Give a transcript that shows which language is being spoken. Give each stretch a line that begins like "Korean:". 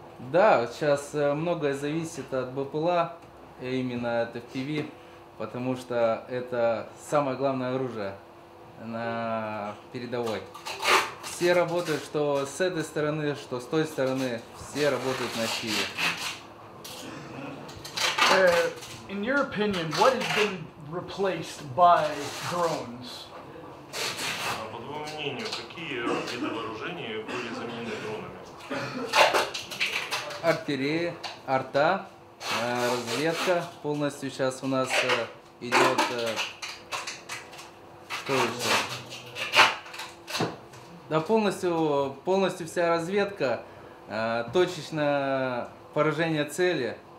Russian: Да, сейчас многое зависит от БПЛА, именно от FPV, потому что это самое главное оружие на передовой. Все работают, что с этой стороны, что с той стороны, все работают на силе.
English: In your opinion, what has been replaced by drones?
Russian: По твоему мнению, какие виды вооружения были заменены дронами? Артиллерия, арта, разведка полностью сейчас у нас идет. Что еще? Да полностью вся разведка, точечное поражение цели.